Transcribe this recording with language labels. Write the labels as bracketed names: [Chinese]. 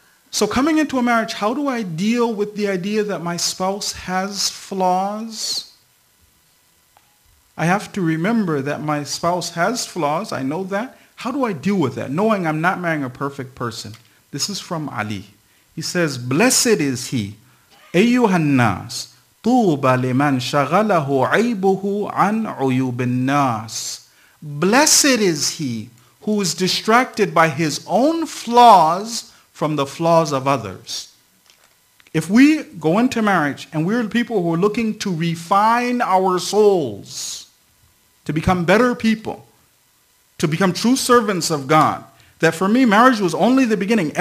[English] So coming into a marriage, how do I deal with the idea that my spouse has flaws? I have to remember that my spouse has flaws. I know that. How do I deal with that? Knowing I'm not marrying a perfect person. This is from Ali. He says, blessed is he, [Arabic] أَيُّهَا النَّاسِ طُوبَ لِمَنْ شَغَلَهُ عَيْبُهُ عَنْ عُيُوبِ النَّاسِ. [English] Blessed is he who is distracted by his own flaws from the flaws of others. If we go into marriage and we're people who are looking to refine our souls, to become better people, to become true servants of God, that for me marriage was only the beginning.